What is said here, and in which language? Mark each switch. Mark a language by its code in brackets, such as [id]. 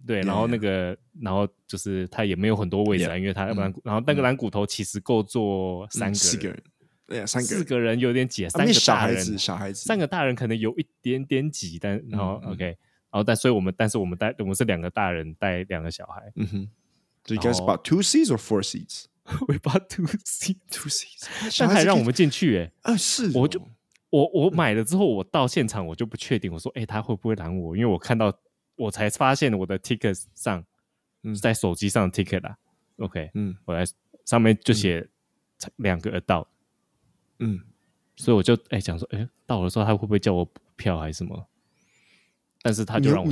[zh] 对，然后那个， yeah. 然后就是它也没有很多位置啊， yeah. 因为它蓝骨、然后那个蓝骨头其实够坐三个人，四个人，对呀，三个四个人有点挤，三个大人、啊、小孩子，三个大人可能有一点点挤，但然后、OK， 然后但是我们是两个大人带两个小孩， [en] 嗯哼 ，Do you guys bought two seats or four seats? We bought two seats. Two seats. [zh] 但还让我们进去耶、欸、是、哦、我买了之后我到现场我就不确定我说他会不会拦我因为我看到我才发现我的 ticket 上、在手机上的 ticket 啦 OK、我来上面就写两个 adult、所以我就想说到了时候他会不会叫我票还是什么但是他就让我进